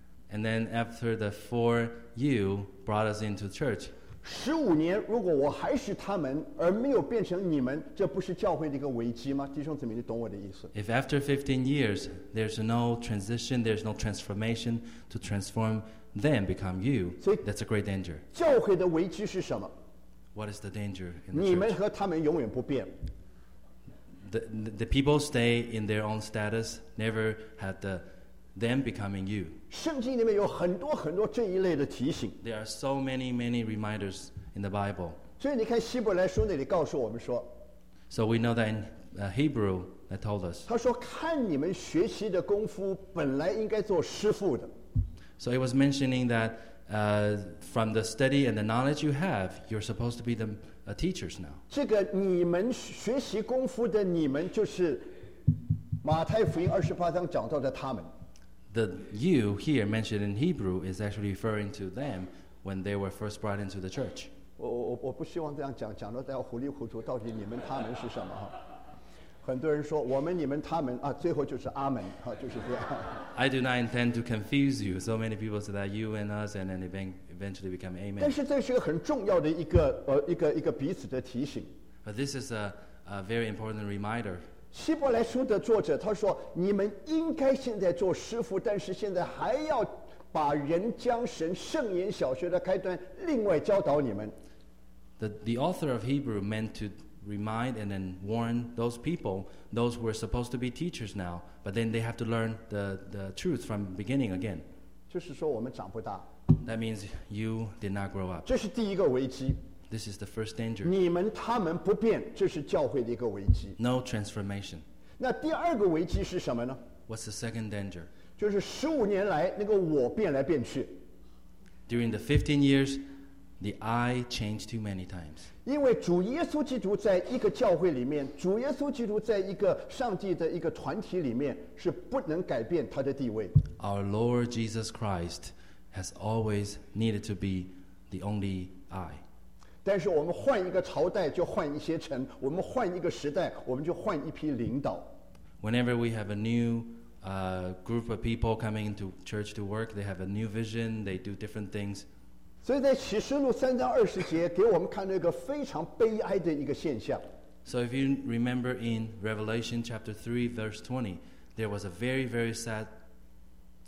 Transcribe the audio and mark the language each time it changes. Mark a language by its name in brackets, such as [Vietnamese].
[English] And then after the four you brought us into church. [Chinese] 十五年，如果我还是他们，而没有变成你们，这不是教会的一个危机吗？弟兄姊妹，你懂我的意思。 [English] If after 15 years, there's no transition, there's no transformation to transform them become you, that's a great danger. [Chinese] 教会的危机是什么？ [English] What is the danger in the church? [Chinese] 你们和他们永远不变。 [English] The people stay in their own status, never had the... Them becoming you. [Chinese] 圣经里面有很多很多这一类的提醒。 [English] There are so many, many reminders in the Bible. [Chinese] 所以你看希伯来书那里告诉我们说。 [English] So we know that in Hebrew, that told us. [Chinese] 他说看你们学习的功夫本来应该做师父的。 [English] So it was mentioning that from the study and the knowledge you have, you're supposed to be the teachers now. [Chinese] 这个你们学习功夫的你们就是马太福音二十八章讲到的他们。 [English] The you here mentioned in Hebrew is actually referring to them when they were first brought into the church. [Chinese] 我不希望这样讲，讲到大家糊里糊涂，到底你们他们是什么？很多人说我们你们他们啊，最后就是阿门啊，就是这样。 [English] I do not intend to confuse you. So many people say that you and us, and then eventually become amen. [Chinese] 但是这是一个很重要的一个彼此的提醒。 [English] But this is a very important reminder. [Chinese] 希伯来书的作者他说，你们应该现在做师父，但是现在还要把人将神圣言小学的开端另外教导你们。 [English] The author of Hebrew meant to remind and then warn those people, those who are supposed to be teachers now, but then they have to learn the truth from the beginning again. [Chinese] 就是说我们长不大。 [English] That means you did not grow up. [Chinese] 这是第一个危机。 [English] This is the first danger. [Chinese] 你们他们不变，这是教会的一个危机。 [English] No transformation. [Chinese] 那第二个危机是什么呢？ [English] What's the second danger? [Chinese] 就是十五年来那个我变来变去。 [English] During the 15 years, the I changed too many times. [Chinese] 因为主耶稣基督在一个教会里面，主耶稣基督在一个上帝的一个团体里面是不能改变他的地位。 [English] Our Lord Jesus Christ has always needed to be the only I. [Chinese] 但是我们换一个朝代就换一些城，我们换一个时代我们就换一批领导。 [English] Whenever we have a new group of people coming into church to work, they have a new vision, they do different things. [Chinese] 所以在启示录三章二十节给我们看到一个非常悲哀的一个现象。 [English] So if you remember in Revelation chapter 3 verse 20, there was a very very sad situation.